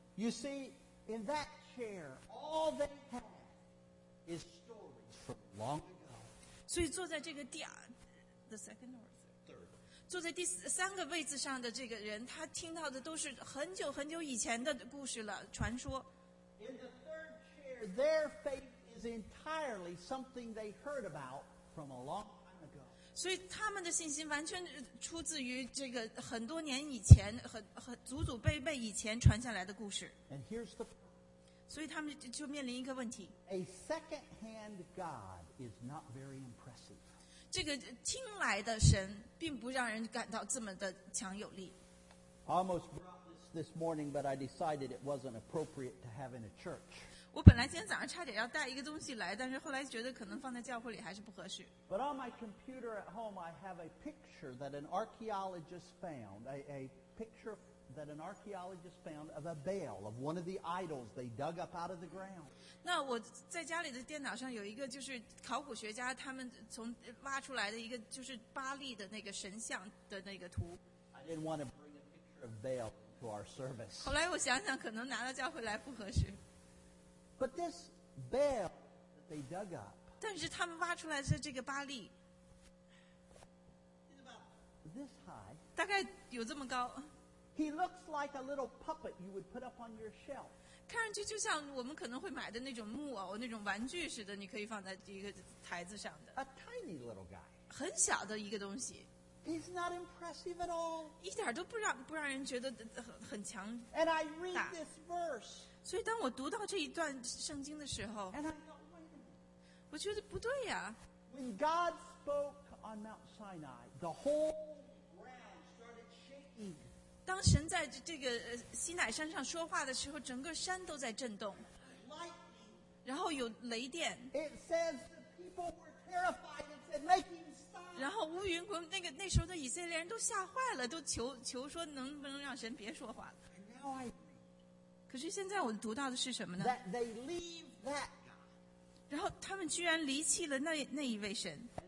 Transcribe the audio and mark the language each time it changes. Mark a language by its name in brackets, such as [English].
[English] You see, in that chair, all they have is stories from long ago. [Chinese] 所以坐在这个第二 [English] the second or third. [Chinese] 坐在第三个位置上的这个人，他听到的都是很久很久以前的故事了，传说。 [English] In the third chair, their faith is entirely something they heard about from a long time ago. [Chinese] 所以他们的信心完全出自于这个很多年以前、很祖祖辈辈以前传下来的故事。 [English] And here's the. [Chinese] 所以他们就面临一个问题。 [English] A second-hand God is not very impressive. [Chinese] 这个听来的神并不让人感到这么的强有力。 [English] Almost brought this morning, but I decided it wasn't appropriate to have in a church. [Chinese] 我本来今天早上差点要带一个东西来，但是后来觉得可能放在教会里还是不合适。 [English] But on my computer at home, I have a picture that an archaeologist found, a picture that an archaeologist found of a Baal, of one of the idols they dug up out of the ground. [Chinese] 那我在家里的电脑上有一个就是考古学家他们从挖出来的一个就是巴利的那个神像的那个图。 [English] I didn't want to bring a picture of Baal to our service. [Chinese] 后来我想想可能拿到教会来不合适。 [English] But this Baal that they dug up. [Chinese] 但是他们挖出来的这个巴利。 [English] It's about this high. [Chinese] 大概有这么高。 [English] He looks like a little puppet you would put up on your shelf. [Chinese] 看上去就像我们可能会买的那种木偶那种玩具似的你可以放在一个台子上的 [English] A tiny little guy. [Chinese] 很小的一个东西 [English] He's not impressive at all. [Chinese] 一点都不让人觉得 很强大 [English] And I read this verse. [Chinese] 所以当我读到这一段圣经的时候 [English] And I thought, wait a minute. [Chinese] 我觉得不对呀 [English] When God spoke on Mount Sinai, the whole ground started shaking. [Chinese] 当神在这个西乃山上说话的时候，整个山都在震动，然后有雷电。 [English] It says the people were terrified and said, "Make him stop." [Chinese] 然后乌云滚，那时候的以色列人都吓坏了，都求说能不能让神别说话了。可是现在我读到的是什么呢 [English] ？That they leave that God. [Chinese] 然后他们居然离弃了那一位神。